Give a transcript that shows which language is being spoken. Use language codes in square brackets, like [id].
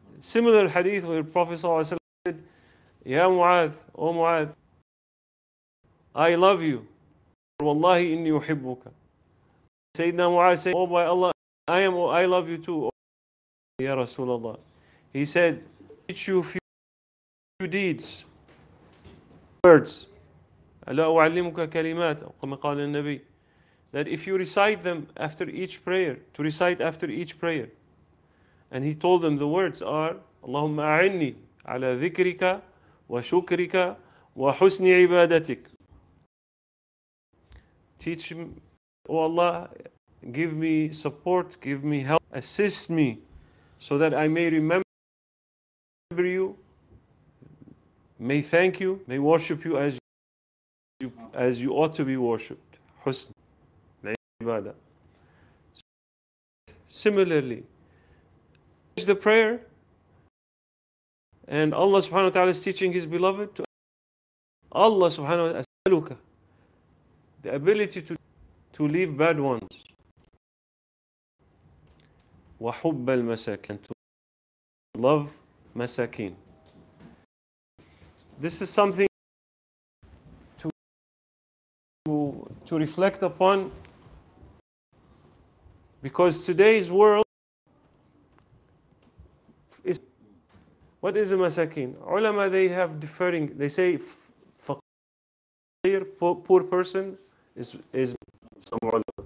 [en] Similar hadith where Prophet ﷺ said, Ya Mu'adh, O Mu'adh, I love you. [ar] Wallahi inni uhibbuka. [en] Sayyidina Mu'adh said, Oh by Allah, I love you too. Ya Rasulullah. He said, teach you a few deeds, words. [ar] لا أعلمك كلمات أو كما قال النبي. [en] That if you recite them after each prayer, to recite after each prayer. And he told them the words are, [ar] اللهم أعني على ذكرك وشكرك وحسن عبادتك. [en] Teach me, oh Allah, give me support, give me help, assist me so that I may remember you, may thank you, may worship you as you ought to be worshipped. [ar] حسن العبادة. [en] Similarly, finish the prayer and Allah subhanahu wa ta'ala is teaching his beloved to Allah subhanahu wa ta'ala as-saluka, the ability to leave bad ones. [ar] وحب المساكين, [en] to love [ar] مساكين. [en] This is something to reflect upon, because today's world is, what is a masakin? Ulama, they have differing. They say faqir, poor person, is some ulama.